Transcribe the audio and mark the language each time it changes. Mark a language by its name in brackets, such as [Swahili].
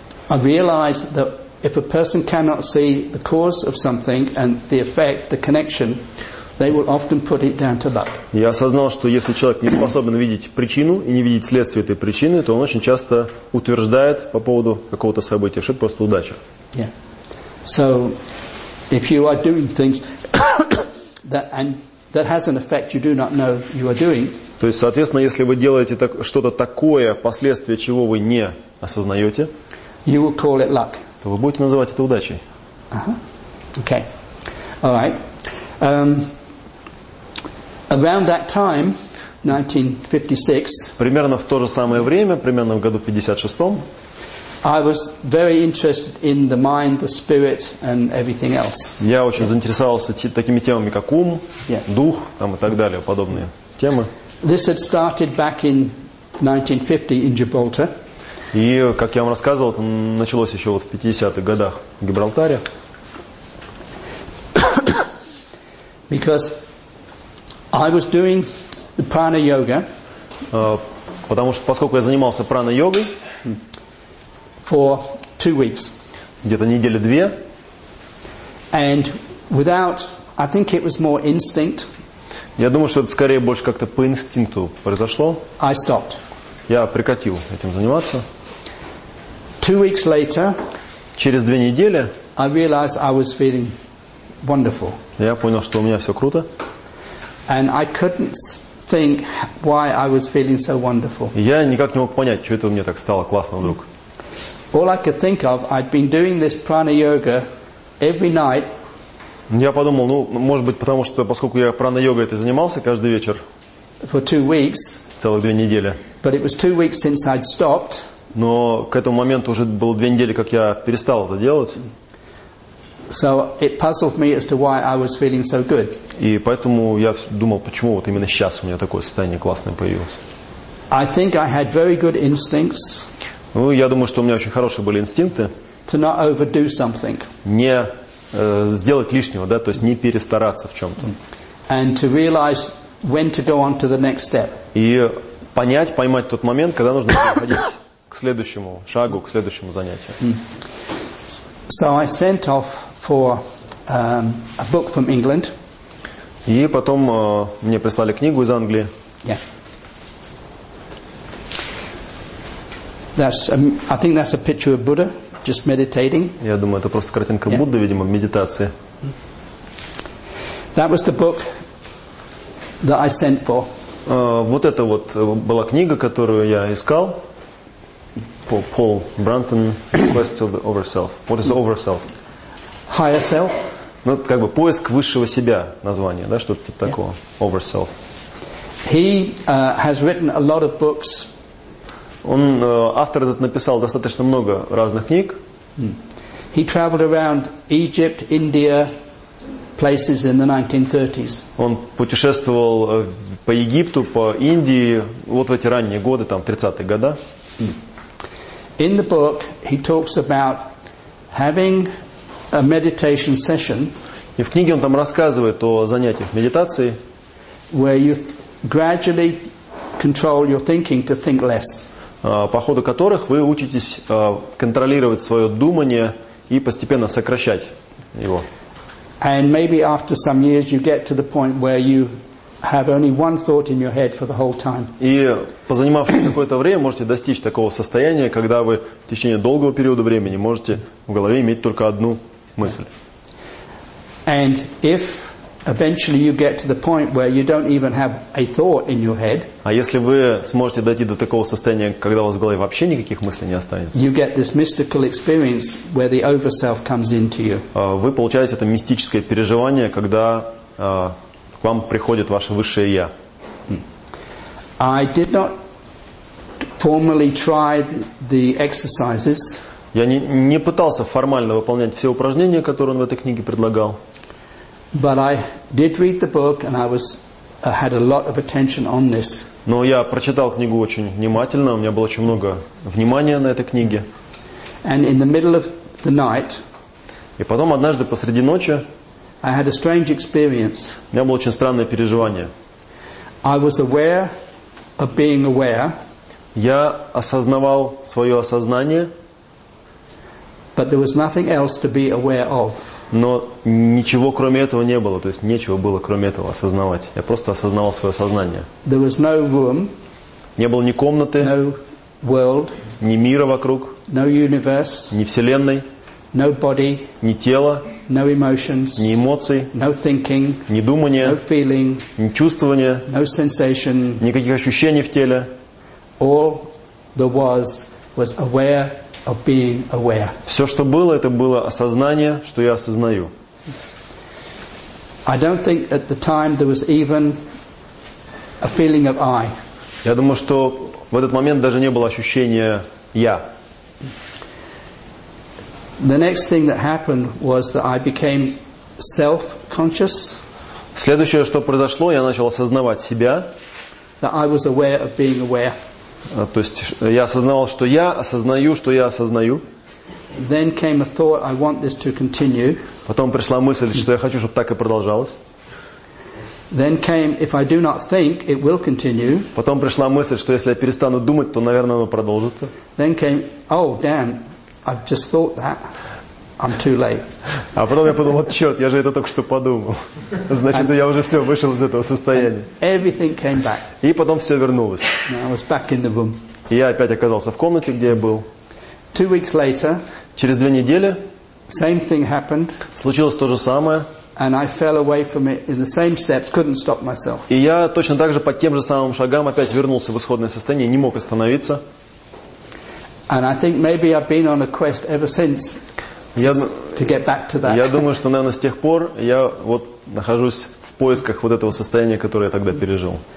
[English] I realized that if a person cannot see the cause of something and the effect, the connection, they will often put it down to luck. [Russian] Я осознал, что если человек не способен видеть причину и не видеть следствие этой причины, то он очень часто утверждает по поводу какого-то события, что это просто удача. [English] So, if you are doing things that and that has an effect you do not know you are doing. [Russian] То есть, соответственно, если вы делаете так, что-то такое, последствия чего вы не осознаете, [English] you will call it luck. [Russian] То вы будете называть это удачей. [English] Uh-huh. Okay. All right. Around that time, 1956. [Russian] Примерно в то же самое время, примерно в году 56-м. [English] I was very interested in the mind, the spirit, and everything else. [Russian] Я очень заинтересовался такими темами, как ум, дух, там и так далее, подобные темы. [English] This had started back in 1950 in Gibraltar. [Russian] И, как я вам рассказывал, это началось еще вот в 50-х годах в Гибралтаре. [English] Because I was doing the prana yoga. [Russian] Потому что, поскольку я занимался прана-йогой, [English] for 2 weeks. [Russian] Где-то недели две. [English] And without, I think it was more instinct. [Russian] Я думаю, что это скорее больше как-то по инстинкту произошло. [English] I stopped. [Russian] Я прекратил этим заниматься. [English] 2 weeks later. [Russian] Через две недели. [English] I realized I was feeling wonderful. [Russian] Я понял, что у меня все круто. [English] And I couldn't think why I was feeling so wonderful. [Russian] Я никак не мог понять, что это у меня так стало классно вдруг. [English] All I could think of, I'd been doing this prana yoga every night. [Russian] Я подумал, ну, может быть, потому что, поскольку я прана йогой этой занимался каждый вечер. [English] For 2 weeks. [Russian] Целых две недели. [English] But it was 2 weeks since I'd stopped. [Russian] Но к этому моменту уже было 2 недели, как я перестал это делать. [English] So it puzzled me as to why I was feeling so good. [Russian] И поэтому я думал, почему вот именно сейчас у меня такое состояние классное появилось. [English] I think I had very good instincts. [Russian] Ну, я думаю, что у меня очень хорошие были инстинкты. [English] To not overdo something. [Russian] Не сделать лишнего, да, то есть не перестараться в чем-то. [English] And to realize when to go on to the next step. [Russian] И понять, поймать тот момент, когда нужно переходить к следующему шагу, к следующему занятию. [English] So I sent off for a book from England. [Russian] И потом мне прислали книгу из Англии. [English] Yeah. That's, I think that's a picture of Buddha, just meditating. [Russian] Я думаю, это просто картинка Будды, видимо, в медитации. [English] That was the book that I sent for. [Russian] Вот это вот была книга, которую я искал. [English] Paul Branton, Quest of the Overself. What is Overself? Higher Self. [Russian] Ну, как бы поиск высшего себя, название, да, что-то типа такого. [English] Overself. He has written a lot of books. [Russian] Он, автор этот, написал достаточно много разных книг. [English] He traveled around Egypt, India, places in the 1930s. [Russian] Он путешествовал по Египту, по Индии, вот в эти ранние годы, там, 30-е годы. [English] In the book, he talks about having a meditation session. [Russian] И в книге он там рассказывает о занятиях медитации. [English] Where you gradually control your thinking to think less. [Russian] По ходу которых вы учитесь контролировать свое думание и постепенно сокращать его. [English] And maybe after some years you get to the point where you have only one thought in your head for the whole time. [Russian] И позанимавшись какое-то время, можете достичь такого состояния, когда вы в течение долгого периода времени можете в голове иметь только одну мысль. [English] And if eventually you get to the point where you don't even have a thought in your head. [Russian] А если вы сможете дойти до такого состояния, когда у вас в голове вообще никаких мыслей не останется. [English] You get this mystical experience where the overself comes into you. [Russian] Вы получаете это мистическое переживание, когда к вам приходит ваше высшее я. [English] I did not formally try the exercises. [Russian] Я не пытался формально выполнять все упражнения, которые он в этой книге предлагал. [English] But I did read the book, and I was had a lot of attention on this. [Russian] Но я прочитал книгу очень внимательно. У меня было очень много внимания на этой книге. [English] And in the middle of the night. [Russian] И потом однажды посреди ночи. [English] I had a strange experience. [Russian] У меня было очень странное переживание. [English] I was aware of being aware. [Russian] Я осознавал свое осознание. [English] But there was nothing else to be aware of. [Russian] Но ничего кроме этого не было, то есть нечего было кроме этого осознавать. Я просто осознавал свое сознание. [English] There was no room, [Russian] не было ни комнаты, [English] no world, [Russian] ни мира вокруг, [English] no universe, [Russian] ни вселенной, [English] no body, [Russian] ни тело, [English] no emotions, [Russian] ни эмоций, [English] no thinking, [Russian] ни думания, [English] no feeling, [Russian] ни чувствования, [English] no sensation, [Russian] никаких ощущений в теле. [English] All there was aware of being aware. [Russian] Все, что было, это было осознание, что я осознаю. [English] I don't think at the time there was even a feeling of I. [Russian] Я думаю, что в этот момент даже не было ощущения я. [English] The next thing that happened was that I became self-conscious. [Russian] Следующее, что произошло, я начал осознавать себя. [English] That I was aware of being aware. [Russian] То есть я осознавал, что я осознаю, что я осознаю. [English] Then came a thought, I want this to continue. [Russian] Потом пришла мысль, что я хочу, чтобы так и продолжалось. [English] Then came, if I do not think, it will continue. [Russian] Потом пришла мысль, что если я перестану думать, то, наверное, оно продолжится. [English] Then came, oh, damn, I've just thought that. I'm too late. [Russian] А потом я подумал, вот черт, я же это только что подумал. Значит, я уже все, вышел из этого состояния. [English] Everything came back. [Russian] И потом все вернулось. [English] I was back in the room. [Russian] И я опять оказался в комнате, где я был. [English] 2 weeks later. [Russian] Через 2 недели. [English] Same thing happened. [Russian] Случилось то же самое. [English] And I fell away from it in the same steps, couldn't stop myself. [Russian] И я точно так же по тем же самым шагам опять вернулся в исходное состояние, не мог остановиться. [English] And I think maybe I've been on a quest ever since. To get back to that. [Russian] Я думаю, что, наверное, с тех пор я вот нахожусь в поисках вот этого состояния, которое я тогда пережил.